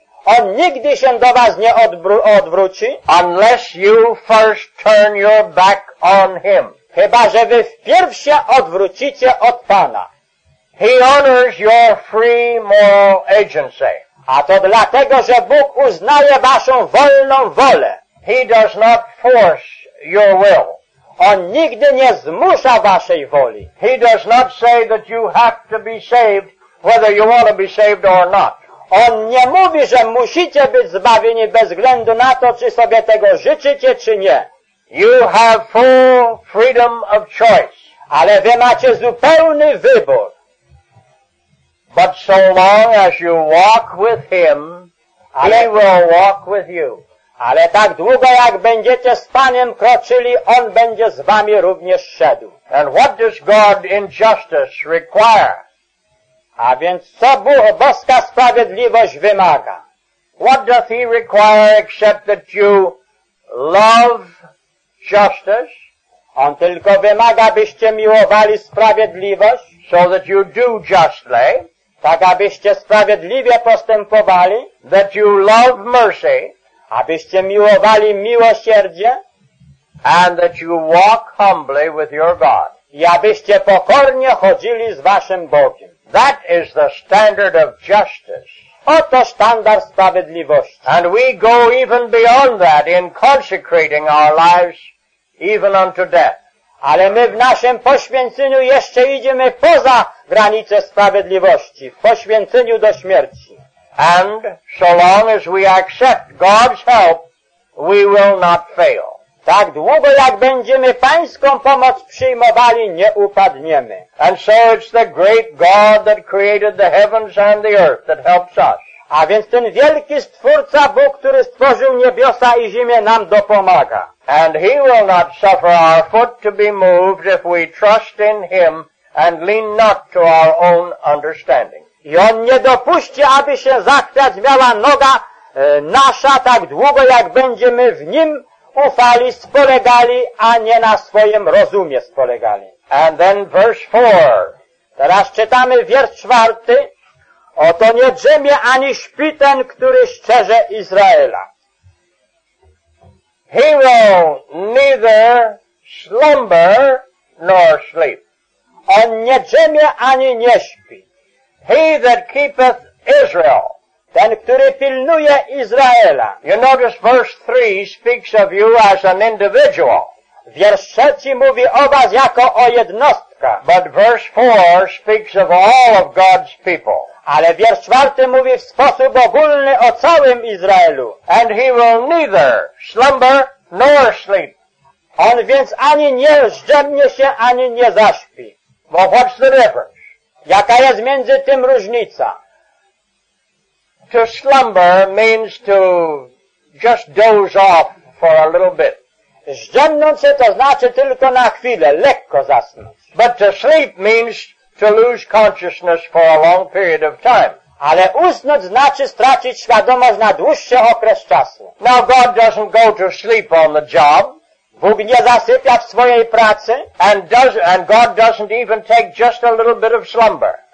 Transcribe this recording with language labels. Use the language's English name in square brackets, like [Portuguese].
[Polish] On nigdy się do was nie odwróci. [English] Unless you first turn your back on him. [Polish] Chyba, że wy wpierw się odwrócicie od Pana. [English] He honors your free moral agency. [Polish] A to dlatego, że Bóg uznaje waszą wolną wolę. [English] He does not force your will. [Polish] On nigdy nie zmusza waszej woli. [English] He does not say that you have to be saved, whether you want to be saved or not. [Polish] On nie mówi, że musicie być zbawieni bez względu na to, czy sobie tego życzycie, czy nie. [English] You have full freedom of choice. [Polish] Ale wy macie zupełny wybór. [English] But so long as you walk with him, he will walk with you. [Polish] Ale tak długo, jak będziecie z Panem kroczyli, on będzie z wami również szedł. [English] And what does God in justice require? [Polish] A więc co boska sprawiedliwość wymaga? [English] What doth he require except that you love justice? [Polish] On tylko wymaga, byście miłowali sprawiedliwość. [English] So that you do justly. [Polish] Tak, abyście sprawiedliwie postępowali. [English] That you love mercy. [Polish] Abyście miłowali miłosierdzie. [English] And that you walk humbly with your God. [Polish] I abyście pokornie chodzili z waszym Bogiem. [English] That is the standard of justice. [Polish] Oto standard sprawiedliwości. [English] And we go even beyond that in consecrating our lives even unto death. [Polish] Ale my w naszym poświęceniu jeszcze idziemy poza granice sprawiedliwości, w poświęceniu do śmierci. [English] And so long as we accept God's help, we will not fail. [Polish] Tak długo jak będziemy Pańską pomoc przyjmowali, nie upadniemy. [English] And so it's the great God that created the heavens and the earth that helps us. [Polish] A więc ten wielki Stwórca, Bóg, który stworzył niebiosa i ziemię, nam dopomaga. [English] And he will not suffer our foot to be moved if we trust in him and lean not to our own understanding. [Polish] I on nie dopuści, aby się zachwiać miała noga nasza tak długo, jak będziemy w nim ufali, spolegali, a nie na swoim rozumie spolegali. [English] And then verse 4. [Polish] Teraz czytamy wiersz 4. Oto nie drzemie ani śpi ten, który szczerze Izraela. [English] He will neither slumber nor sleep. [Polish] On nie drzemie ani nie śpi. [English] He that keepeth Israel. [Polish] Ten, który pilnuje Izraela. [English] You notice verse 3 speaks of you as an individual. [Polish] wierszeci mówi o was jako o jednostka. [English] But verse 4 speaks of all of God's people. [Polish] Ale wiersz 4 mówi w sposób ogólny o całym Izraelu. [English] And he will neither slumber nor sleep. [Polish] On więc ani nie zdrzemnie się, ani nie zaśpi. [English] Well, what's the difference? [Polish] Jaka jest między tym różnica? [English] To slumber means to just doze off for a little bit. [Polish] Zdrzemnąć się to znaczy tylko na chwilę, lekko zasnąć. [English] But to sleep means to lose consciousness for a long period of time. [Polish] Ale usnąć znaczy stracić świadomość na dłuższy okres czasu. [English] Now God doesn't go to sleep on the job. [Polish] Bóg nie zasypia w swojej pracy. [English] And God doesn't even take just a little bit of slumber.